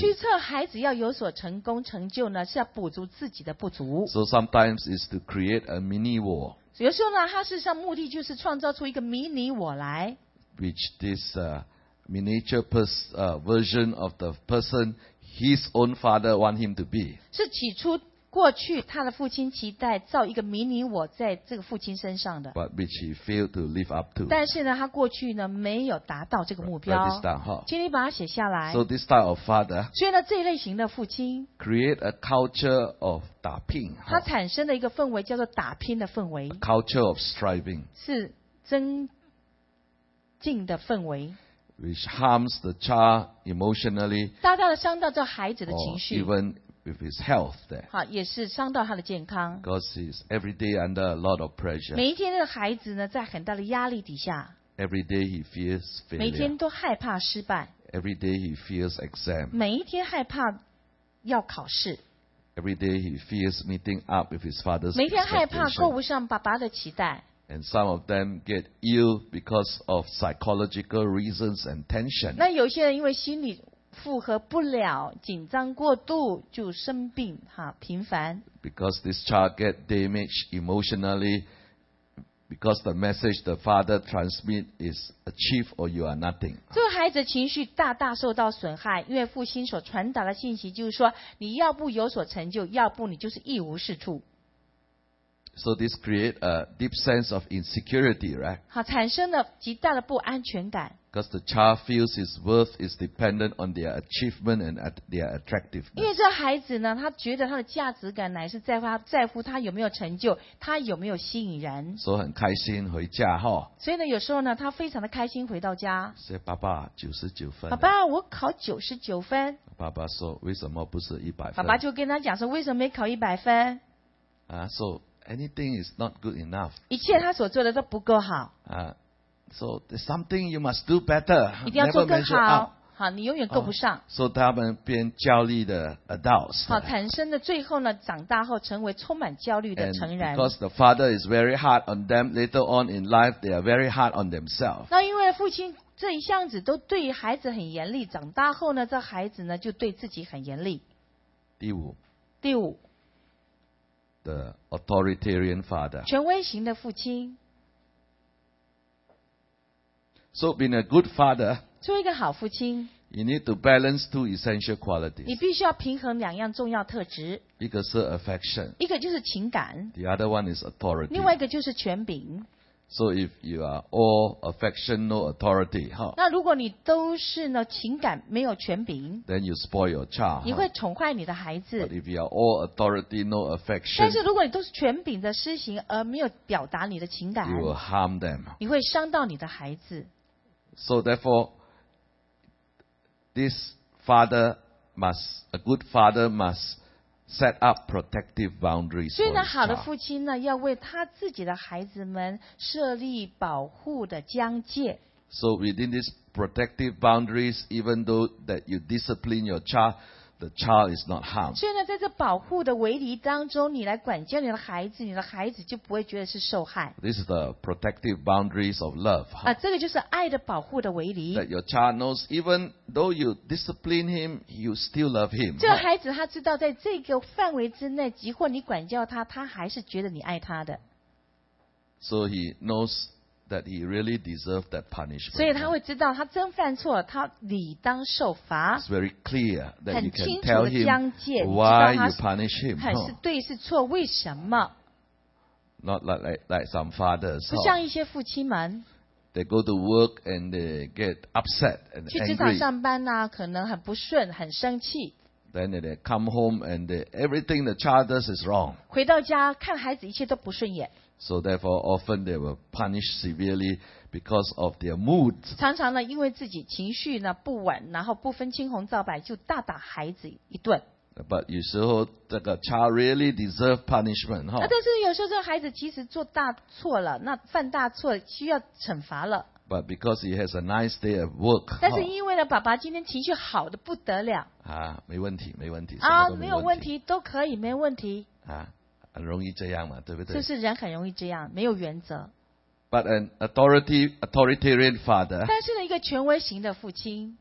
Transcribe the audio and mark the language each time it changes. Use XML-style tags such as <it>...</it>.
<zh>驱策孩子要有所成功成就呢，是要补足自己的不足。</zh> <en>So sometimes is to create a mini war.</en> <zh>有时候呢，他事实上目的就是创造出一个迷你我来。</zh> <en>Which this miniature version of the person his own father want him to be.</en> <zh>是起初过去他的父亲期待造一个迷你我在这个父亲身上的</zh> <en>But which he failed to live up to.</en> <zh>但是呢他过去呢没有达到这个目标</zh> <en>Write this down, huh?</en> <zh>请你把它写下来</zh> <en>So this type of father</en> <zh>所以呢这一类型的父亲</zh> <en>create a culture of</en> <zh>打拼</zh> <en>huh?</en> <zh>他产生了一个氛围叫做打拼的氛围</zh> <en>a culture of striving</en> <zh>是增进的氛围</zh> <en>which harms the child emotionally</en> <zh>大大的伤到这孩子的情绪</zh> <en>evenWith his health, there.</en> <zh>好，也是伤到他的健康。</zh> <en>Because he's every day under a lot of pressure.</en> <zh>每一天的孩子呢，在很大的压力底下。</zh> <en>Every day he fears failure.</en> <zh>每天都害怕失败。</zh> <en>Every day he fears exam.</en> <zh>每一天害怕要考试。</zh> <en>Every day he fears meeting up with his father's expectation.</en> <zh>每天害怕够不上爸爸的期待。</zh> <en>And some of them get ill because of psychological reasons and tension.</en> <zh>那有些人因为心理负荷不了，紧张过度就生病哈，频繁。</zh> <en>Because this child get damaged emotionally, because the message the father transmit is achieve or you are nothing.</en> <zh>这个孩子情绪大大受到损害，因为父亲所传达的信息就是说，你要不有所成就，要不你就是一无是处。</zh> <en>So this creates a deep sense of insecurity, right?</en> <zh>好，产生了极大的不安全感。</zh> <en>Because the child feels his worth is dependent on their achievement and their attractiveness.</en> <zh>因为这孩子呢，他觉得他的价值感乃是在乎他有没有成就，他有没有吸引人。所以很开心回家哈。所以呢，有时候呢，他非常的开心回到家。说爸爸99分。爸爸，我考99分。爸爸说为什么不是100分？爸爸就跟他讲说为什么没考100分？啊，说。</zh> <en>Anything is not good enough.</en> <zh>一切他所做的都不够好。</zh> <en>So there's something you must do better.</en> <zh>一定要做更好。好，你永远够不上。 So 他们变焦虑的</zh> <en>adults.</en> <zh>好，产生的最后呢，长大后成为充满焦虑的成人。</zh> <en>And because the father is very hard on them, later on in life they are very hard on themselves.</en> <zh>那因为父亲这一向子都对孩子很严厉，长大后呢，这孩子呢就对自己很严厉。第五。</zh> <en>The authoritarian father.</en> <zh>权威型的父亲。</zh> <en>So being a good father. 做一个好父亲。 You need to balance two essential qualities.</en> <zh>你必须要平衡两样重要特质。一个是 affection. 一个就是情感。</zh> <en>The other one is authority.</en> <zh>另外一个就是权柄。</zh> <en>So if you are all affection, no authority,</en> <zh>那如果你都是呢情感没有权柄</zh> <en>，then you spoil your child.</en> <zh>你会宠坏你的孩子。</zh> <en>But if you are all authority, no affection.</en> <zh>但是如果你都是权柄的施行而没有表达你的情感</zh> <en>，you will harm them.</en> <zh>你会伤到你的孩子。</zh> <en>So therefore, this father must a good father must. Set up protective boundaries.</en> <zh>所以呢，好的父亲呢，要为他自己的孩子们设立保护的疆界。</zh> <en>So within these protective boundaries, even though that you discipline your child, the child is not harmed.</en> <zh>所以呢，在这保护的围篱当中，你来管教你的孩子，你的孩子就不会觉得是受害。</zh> <en>This is the protective boundaries of love.</en> <zh>啊，这个就是爱的保护的围篱。</zh> <en>That your child knows, even though you discipline him, you still love him.</en> <zh>这孩子他知道，在这个范围之内，即或你管教他，他还是觉得你爱他的。</zh> <en>So he knows. That he really deserved that punishment.</en> <zh>所以他会知道，他真犯错了，他理当受罚。</zh> <en>It's very clear that you can tell him why you punish him.</en> <zh>很是对是错，为什么</zh> <en>？Not like some fathers.</en> <zh>不像一些父亲们。</zh> <en>They go to work and they get upset and angry.</en> <zh>去职场上班呐、啊，可能很不顺，很生气。</zh> <en>Then they come home and everything the child does is wrong.</en> <zh>回到家看孩子，一切都不顺眼。</zh> <en>So therefore, often they were punished severely because of their mood.</en> <zh>常常呢，因为自己情绪呢不稳，然后不分青红皂白就大打孩子一顿。</zh> <en>But</en> <zh>有时候这个</zh> <en>child really deserve punishment, 哈。</en> <zh>但是有时候这个孩子其实做大错了，那犯大错需要惩罚了。 But because he has a nice day at work. 但是因为呢，爸爸今天情绪好的不得了。啊，没问题，没问题。啊，没有问题，都可以，没问题。啊。很容易这样嘛，对不对？就是人很容易这样，没有原则。</zh> <en>But an authoritarian father.</en> <zh>但是呢，一个权威型的父亲</zh>